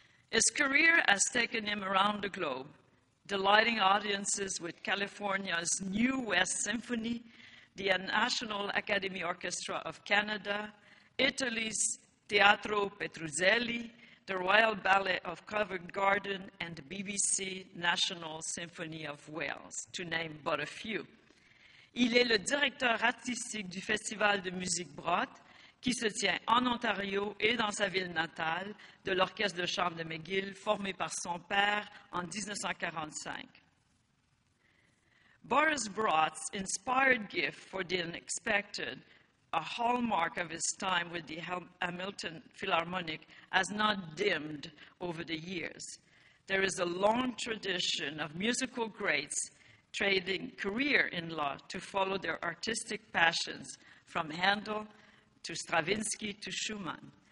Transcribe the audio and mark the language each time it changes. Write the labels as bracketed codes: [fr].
[en] His career has taken him around the globe, delighting audiences with California's New West Symphony, the National Academy Orchestra of Canada, Italy's Teatro Petruzzelli, the Royal Ballet of Covent Garden, and the BBC National Symphony of Wales, to name but a few. [fr] Il est le directeur artistique du Festival de musique Brott, qui se tient en Ontario et dans sa ville natale, de l'Orchestre de chambre de McGill, formé par son père en 1945. [en] Boris Brott's inspired gift for the unexpected, a hallmark of his time with the Hamilton Philharmonic, has not dimmed over the years. There is a long tradition of musical greats trading career in law to follow their artistic passions, from Handel to Stravinsky to Schumann.